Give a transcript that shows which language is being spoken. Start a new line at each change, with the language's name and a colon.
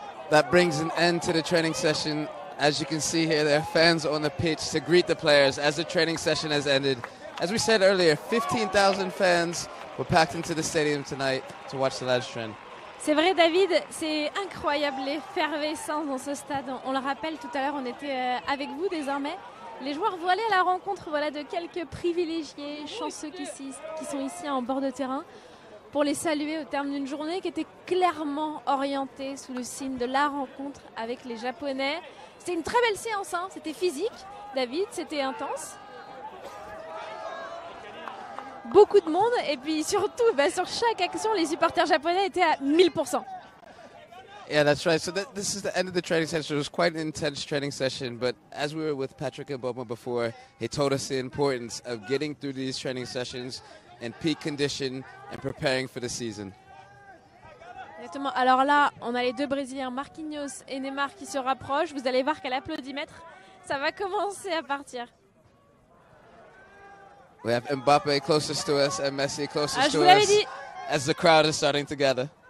English: that brings an end to the training session. As you can see here, there are fans on the pitch to greet the players as the training session has ended. As we said earlier, 15,000 fans were packed into the stadium tonight to watch the Lads train.
French: C'est vrai, David, c'est incroyable l'effervescence dans ce stade. On le rappelle, tout à l'heure, on était avec vous désormais. Les joueurs vont aller à la rencontre voilà, de quelques privilégiés, chanceux qui sont ici en bord de terrain, pour les saluer au terme d'une journée qui était clairement orientée sous le signe de la rencontre avec les Japonais. C'était une très belle séance, hein. C'était physique, David, c'était intense. Beaucoup de monde et puis surtout bah, sur chaque action les supporters japonais étaient à 1000%.
English: Yeah, that's right. So this is the end of the training session. It was quite an intense training session, but as we were with Patrick Obama before, he told us the importance of getting through these training sessions in peak condition and preparing for the season.
French: Exactement. Alors là, on a les deux Brésiliens, Marquinhos et Neymar qui se rapprochent. Vous allez voir qu'à l'applaudimètre, ça va commencer à partir.
English: We have Mbappe closest to us and Messi closest to us as the crowd is starting to gather.